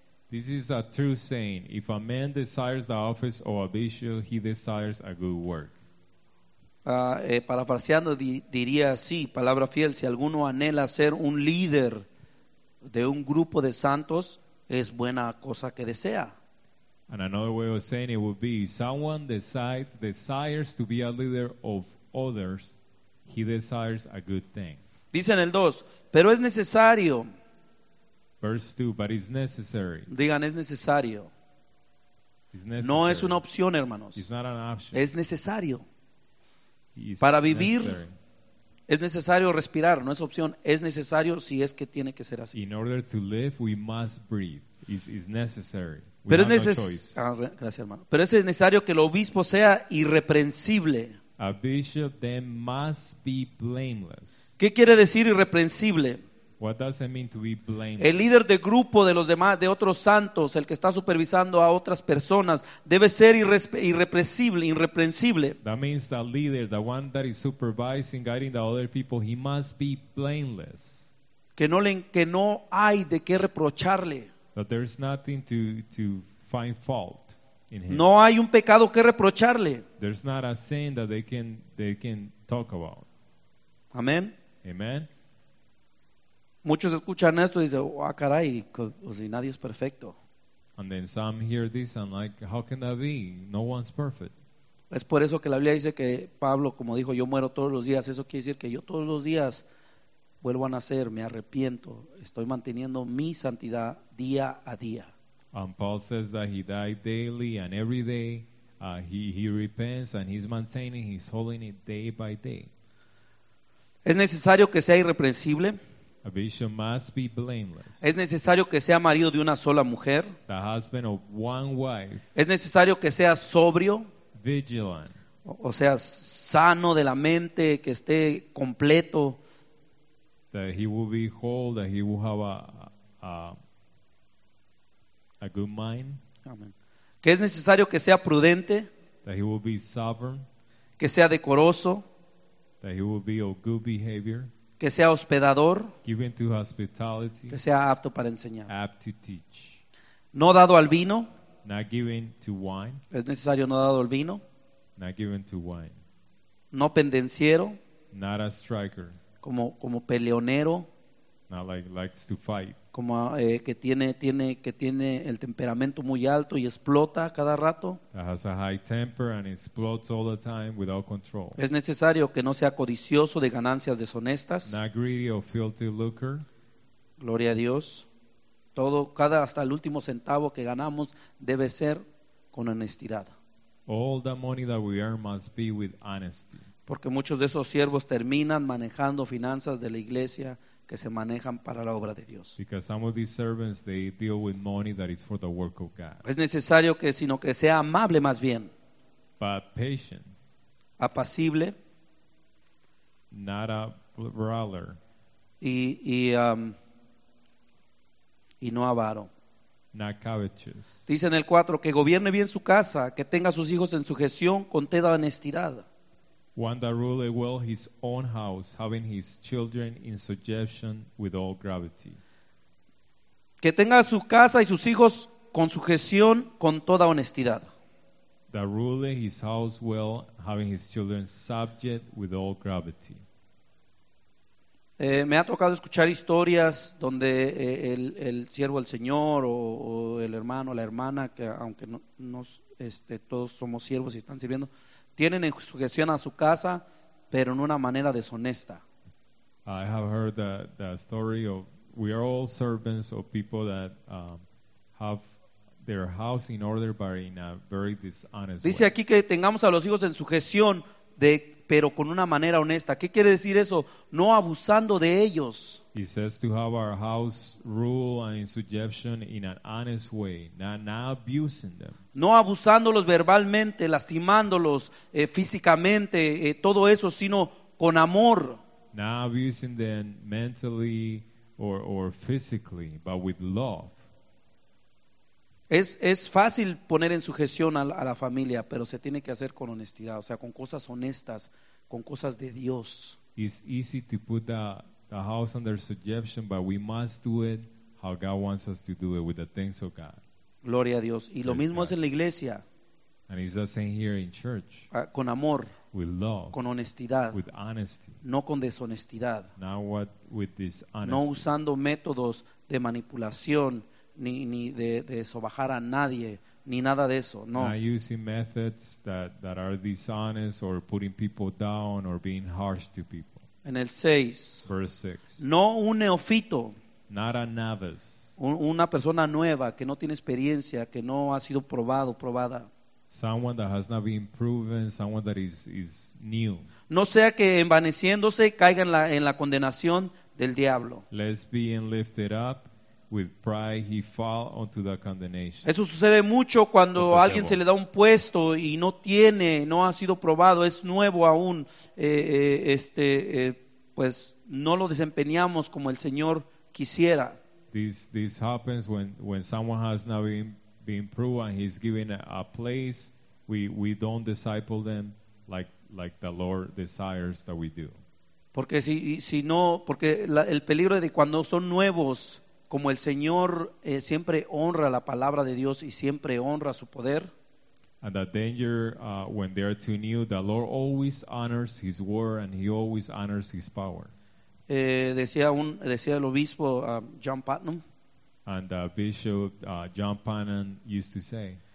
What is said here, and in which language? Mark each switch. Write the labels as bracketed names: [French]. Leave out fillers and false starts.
[English] This is a true saying. If a man desires the office of a bishop, he desires a good work. [Spanish] Parafraseando, diría así, palabra fiel, si alguno anhela ser un líder de un grupo de santos, es buena cosa que desea. [English] And another way of saying it would be, someone decides to be a leader of others, he desires a good thing. [Spanish] Dice en el 2, pero es necesario. [English] Verse 2, but it's necessary. [Spanish] Digan, es necesario. [English] It's necessary. [Spanish] No es una opción, hermanos. [English] It's not an option. [Spanish] Es necesario. [English] It's [Spanish] para vivir, [English] necessary. [Spanish] Es necesario respirar. No es opción. Es necesario si es que tiene que ser así. [English] In order to live, we must breathe. It's necessary. We [Spanish] pero [English] have [Spanish] es necesario. Ah, gracias, hermano. Pero es necesario que el obispo sea irreprensible. [English] A bishop then must be blameless. [Spanish] ¿Qué quiere decir irreprensible? [English] What does it mean to be blameless? [Spanish] El líder de grupo de los demás, de otros santos, el que está supervisando a otras personas, debe ser irreprensible. [English] That means the leader, the one that is supervising, guiding the other people, he must be blameless. [Spanish] Que no hay de qué reprocharle. [English] That there is nothing to find fault in him. [Spanish] No hay un pecado que reprocharle. [English] There's not a sin that they can talk about. [Spanish] Amén. [English] Amen. [Spanish] Muchos escuchan esto y dicen, oh, caray, si nadie es perfecto. [English] And then some hear this and like, how can that be? No one's perfect. [Spanish] Es por eso que la Biblia dice que Pablo, como dijo, yo muero todos los días. Eso quiere decir que yo todos los días vuelvo a nacer, me arrepiento. Estoy manteniendo mi santidad día a día. [English] And Paul says that he died daily and every day. He repents and he's maintaining his holiness day by day. [Spanish] Es necesario que sea irreprensible. [English] A bishop must be blameless. [Spanish] Es necesario que sea marido de una sola mujer. [English] The husband of one wife. [Spanish] Es necesario que sea sobrio. [English] Vigilant. [Spanish] O sea, sano de la mente, que esté completo. [English] That he will be whole, that he will have a good mind. [Spanish] Amen. Que es necesario que sea prudente. [English] That he will be sovereign. [Spanish] Que sea decoroso. [English] That he will be of good behavior. [Spanish] Que sea hospedador. [English] Given to hospitality, [Spanish] que sea apto para enseñar. [English] Apt to teach. [Spanish] No dado al vino. [English] Not given to wine. [Spanish] Es necesario no dado al vino. [English] Not given to wine. [Spanish] No pendenciero. [English] Not a striker. [Spanish] Como peleonero. [English] Not like likes to fight. [Spanish] Como que tiene el temperamento muy alto y explota cada rato. [English] That has a high temper and explodes all the time without control. [Spanish] Es necesario que no sea codicioso de ganancias deshonestas. [English] Not greedy or filthy lucre. [Spanish] Gloria a Dios. Todo, cada hasta el último centavo que ganamos debe ser con honestidad. [English] All the money that we earn must be with honesty. [Spanish] Porque muchos de esos siervos terminan manejando finanzas de la iglesia que se manejan para la obra de Dios. [English] Because some of these servants, they deal with money that is for the work of God. [Spanish] Es necesario que, sino que sea amable más bien. [English] But patient. [Spanish] Apacible. [English] Not a brawler. [Spanish] Y no avaro. [English] Not covetous. [Spanish] Dice en el 4, que gobierne bien su casa, que tenga a sus hijos en sujeción con toda honestidad. [English] One that rules well his own house, having his children in subjection with all gravity. [Spanish] Que tenga su casa y sus hijos con sujeción, con toda honestidad. [English] That rules his house well, having his children subject with all gravity. [Spanish] Me ha tocado escuchar historias donde el siervo del Señor o el hermano o la hermana, que aunque no todos somos siervos y están sirviendo, tienen en sujeción a su casa, pero en una manera deshonesta. [English] I have heard the story of, we are all servants of people that have their house in order, but in a very dishonest way. [Spanish] Dice aquí que tengamos a los hijos en sujeción, pero con una manera honesta. ¿Qué quiere decir eso? No abusando de ellos. [English] He says to have our house rule and in subjection in an honest way, not abusing them. [Spanish] No abusándolos verbalmente, lastimándolos físicamente, todo eso, sino con amor. [English] Not abusing them mentally or physically, but with love. [Spanish] Es fácil poner en sujeción a la familia, pero se tiene que hacer con honestidad, o sea, con cosas honestas, con cosas de Dios. [English] It's easy to put the house under subjection, but we must do it how God wants us to do it, with the things of God. [Spanish] Gloria a Dios. Y lo mismo es en la iglesia. [English] And it's the same here in church. [Spanish] Con amor. [English] With love. [Spanish] Con honestidad. [English] With honesty. [Spanish] No con deshonestidad. [English] Not with dishonesty. [Spanish] No usando métodos de manipulación ni de sobajar a nadie ni nada de eso, no. [English] Not using methods that are dishonest or putting people down or being harsh to people. [Spanish] En el 6. [English] Verse 6. [Spanish] No un neófito. [English] Not a novice. [Spanish] Una persona nueva que no tiene experiencia, que no ha sido probado, probada. [English] Someone that has not been proven, someone that is new. [Spanish] No sea que envaneciéndose caiga en la condenación del diablo. [English] Lest being lifted up with pride he fall onto the condemnation. [Spanish] Eso sucede mucho cuando a alguien se le da un puesto y no tiene, no ha sido probado, es nuevo aún, pues no lo desempeñamos como el Señor quisiera. [English] This happens when someone has not been proven and he's given a place, we don't disciple them like the Lord desires that we do. [Spanish] Porque si no, porque el peligro de cuando son nuevos, como el Señor siempre honra la palabra de Dios y siempre honra su poder. [English] And the danger when they are too new, the Lord always honors his word and he always honors his power. [Spanish] Decía el obispo John Putnam. [English] And the bishop John Putnam used to say.